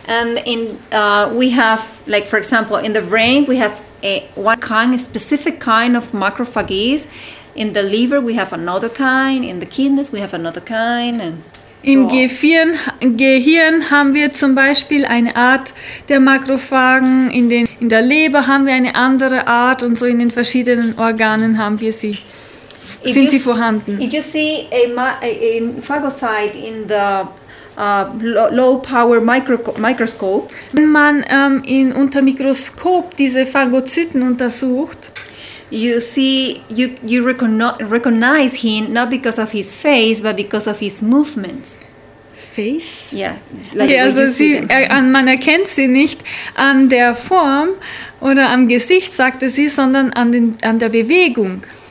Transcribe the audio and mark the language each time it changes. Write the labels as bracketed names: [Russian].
[English] And in we have, like for example, in the brain we have a specific kind of macrophages. In the liver we have another kind, in the kidneys we have another kind. And [German] Im Gehirn haben wir zum Beispiel eine Art der Makrophagen, in der Leber haben wir eine andere Art und so in den verschiedenen Organen haben wir sie, sind sie vorhanden. [English] If you see a phagocyte in the low power microscope, [German] wenn man unter Mikroskop diese Phagozyten untersucht, [English] You recognize him not because of his face, but because of his movements. Face? Yeah. Like okay, [German] also man erkennt sie nicht an der Form oder am Gesicht, sagte sie, sondern an der Bewegung.